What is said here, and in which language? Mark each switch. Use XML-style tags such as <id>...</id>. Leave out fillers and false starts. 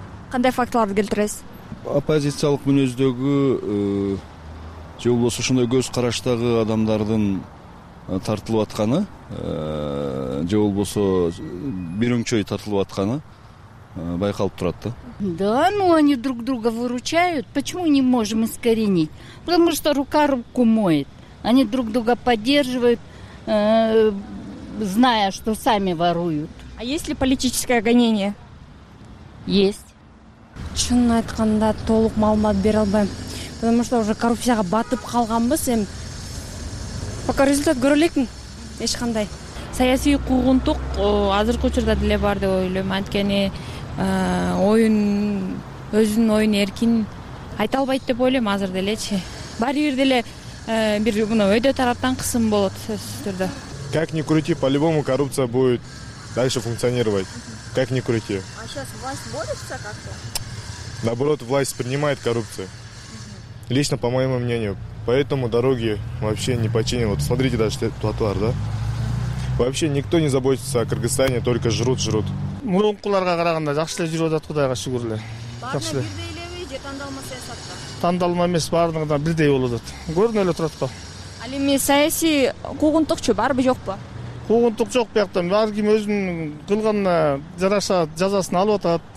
<ky>Кандай фактыларды келтиресиз? Оппозициялык мүнөздөгү же болбосо ушундай көз караштагы адамдардын тартылып атканы, же болбосо бир өңчөй тартылып атканы байкалып турат да.</ky> <ru>Да, ну они друг друга выручают. Почему не можем искоренить? Потому что рука руку моет. Они друг друга поддерживают, зная, что сами воруют. А есть ли политическое гонение? Есть.</ru> <ky>Чынын айтканда толук маалымат бере албайм.</ky> <ru>Потому что уже</ru> <ky>коррупцияга батып калганбыз. Эми пока результат көрө элекмин. Эч кандай. Саясий куугунтук азыркы учурда деле бар деп ойлойм. Анткени оюн өзүнүн оюн эркин айта албайт деп ойлойм азыр делечи. Баары бир деле бир муну өйдө тараптан кысым болот сөзсүз түрдө.</ky> <ru>Как ни крути, по-любому коррупция будет дальше функционировать. Как ни крути. А сейчас власть борется как-то? Наоборот, власть принимает коррупцию. Лично, по моему мнению. Поэтому дороги вообще не починены. Вот смотрите даже тротуар, да? Вообще никто не заботится о Кыргызстане, только жрут, жрут.</ru> <ky>Мурункуларга караганда жакшы эле жүрөт, Кудайга шүгүрлө. Баарына бирдей элеби же тандалма саясатта? Тандалма эмес, баарына бирдей болот атат. Көрүнө эле турат го. Ал эми саясий куугунтукчу барбы жокпу? Куугунтук жок биякта. Ар ким өзүнүн кылганына жараша жазасын алып атат.</ky>